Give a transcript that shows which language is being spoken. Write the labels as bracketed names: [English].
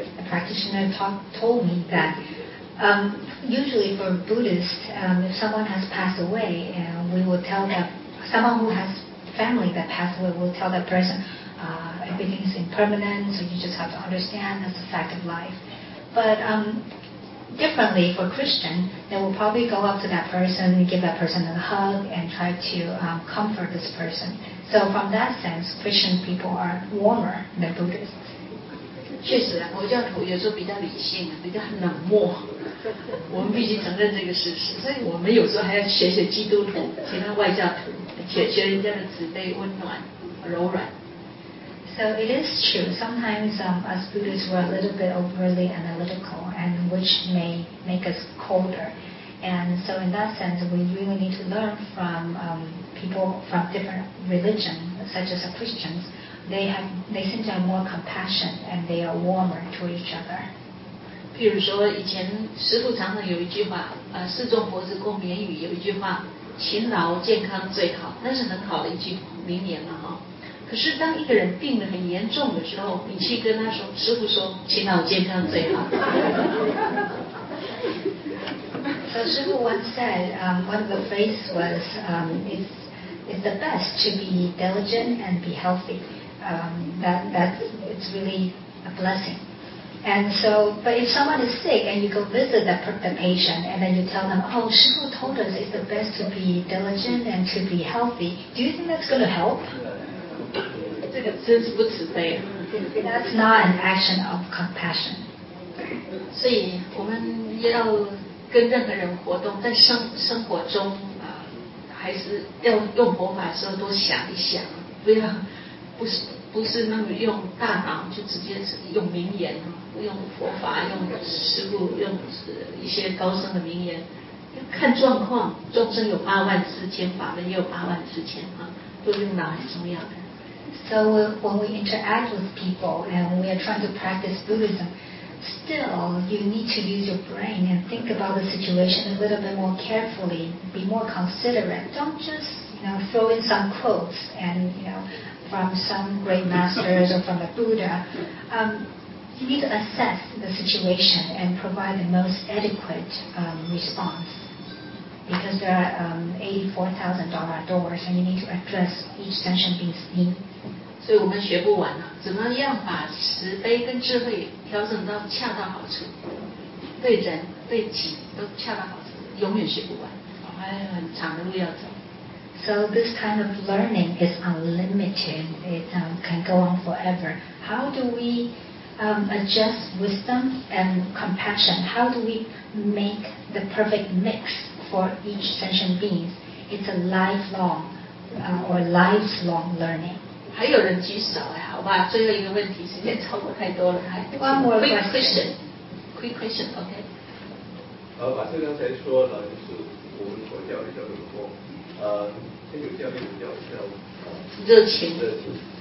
[English] Practitioner told me that usually for Buddhists, if someone has passed away, we will tell that someone who has family that passed away will tell that person everything is impermanent, so you just have to understand that's a fact of life. But differently for Christian, they will probably go up to that person, give that person a hug, and try to comfort this person. So from that sense, Christian people are warmer than Buddhists. [Chinese] 确实啊，佛教徒有时候比较理性，比较冷漠，我们必须承认这个事实，所以我们有时候还要学学基督徒，其他外教徒，学人家的慈悲、温暖、柔软。 [English] So it is true, sometimes us Buddhists were a little bit overly analytical, and which may make us colder. And so in that sense, we really need to learn from people from different religions, such as Christians. They seem to have more compassion and they are warmer to each other. [Chinese] 比如说以前师父常常有一句话，四众佛子共勉语，有一句话，勤劳健康最好，那是很好的一句名言了可是当一个人病得很严重的时候，你去跟他说，师父说勤劳健康最好。 [English] So 师父 once said, one of the phrases was, it's the best to be diligent and be healthy. That it's really a blessing. And so, but if someone is sick and you go visit the patient and then you tell them, oh, Shifu told us it's the best to be diligent and to be healthy, do you think that's going to help? That's not an action of compassion. So, we need to be with anyone in life, but in our lives, we need to think about it in our lives. We need to [Chinese] 不是那么用大脑就直接用名言，不用佛法，用师父，用一些高僧的名言，要看状况。众生有八万四千，法门也有八万四千，都用脑很重要的。 [English] So when we interact with people and we are trying to practice Buddhism, still you need to use your brain and think about the situation a little bit more carefully, be more considerate. Don't just throw in some quotes and from some great masters or from the Buddha, you need to assess the situation and provide the most adequate response. Because there are $84,000 doors and you need to address each sentient being's need. So we don't learn how to use compassion and wisdom to the right amount. For people, for things, the right amount. We never learn. We have a long road to go. So this kind of learning is unlimited. It can go on forever. How do we adjust wisdom and compassion? How do we make the perfect mix for each sentient beings? It's a lifelong or lifelong learning. [Chinese] 还有人举手哎，好吧，最后一个问题，时间超过太多了，还 [English] one more question， quick question， OK。 [Chinese] 把这刚才说了，就是我们佛教也叫做佛，天主教也叫叫热情。热情。